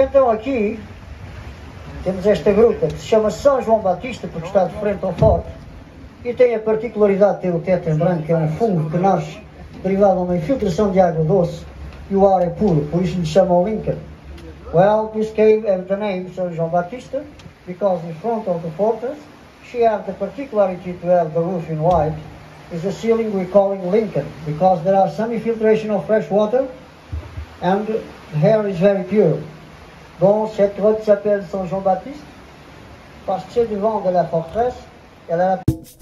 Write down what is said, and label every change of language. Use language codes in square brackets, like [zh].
[pt] Aqui temos esta gruta que se chama São João Batista, porque está de frente ao forte e tem a particularidade de ter o teto em branco, que é um fungo que nasce derivado de uma infiltração de água doce e o ar é puro, por isso lhe chamam Lincoln. [en] Well, this cave has the name São João Batista, because in front of the fortress, she has the particularity to have the roof in white, is a ceiling we call Lincoln, because there are some infiltration of fresh water and the air is very pure. [fr] Bon, cette route s'appelle Saint-Jean-Baptiste, parce que c'est devant de la forteresse, elle a la...